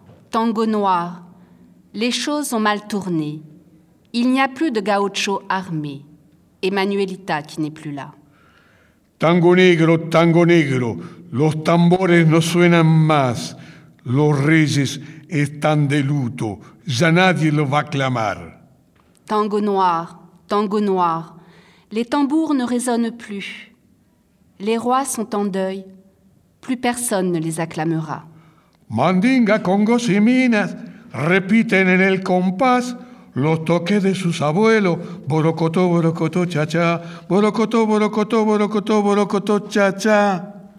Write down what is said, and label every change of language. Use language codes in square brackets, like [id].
[fr] Tango noir, les choses ont mal tourné. Il n'y a plus de gaucho armé et Manuelita qui n'est plus là. [es] Tango negro, los tambores no suenan más. Los reyes están de luto, ya nadie los va a clamar. [fr] Tango noir, les tambours ne résonnent plus. Les rois sont en deuil, plus personne ne les acclamera. [es] Mandinga, congos y minas, repiten en el compás los toques de sus abuelos. Borocotó, borocotó, cha-cha. Borocotó, borocotó, borocotó, borocotó, cha-cha.